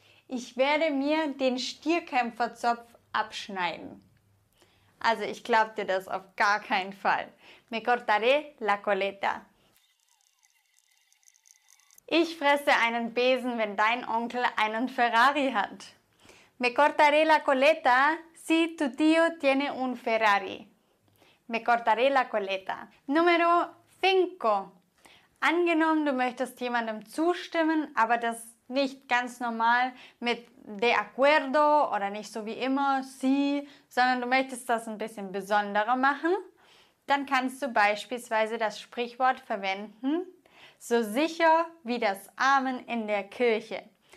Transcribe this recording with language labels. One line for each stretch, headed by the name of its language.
German: Ich werde mir den Stierkämpferzopf abschneiden. Also ich glaube dir das auf gar keinen Fall.
Spanish: Me cortaré la coleta.
German: Ich fresse einen Besen, wenn dein Onkel einen Ferrari hat.
Spanish: Me cortaré la coleta si tu tío tiene un Ferrari. Me cortaré la coleta. Numero 5.
German: Angenommen, du möchtest jemandem zustimmen, aber das nicht ganz normal mit de acuerdo oder nicht so wie immer, sí, sondern du möchtest das ein bisschen besonderer machen, dann kannst du beispielsweise das Sprichwort verwenden, so sicher wie das Amen in der Kirche.